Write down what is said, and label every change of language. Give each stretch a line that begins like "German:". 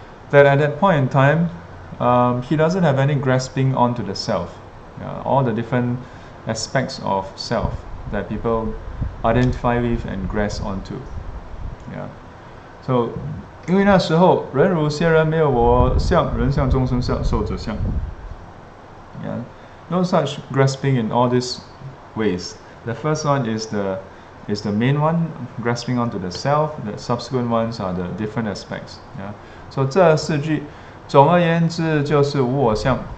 English: That at that point in time, he doesn't have any grasping onto the self. All the different aspects of self that people identify with and grasp onto.
Chinese: So, 因为那时候, 人如仙人没有我相, 人相众生相, 受者相.
English: No such grasping in all these ways. The first one is the main one, grasping onto the self. The subsequent ones are the different aspects.
Chinese: So, 这四句, 总而言之就是无我相.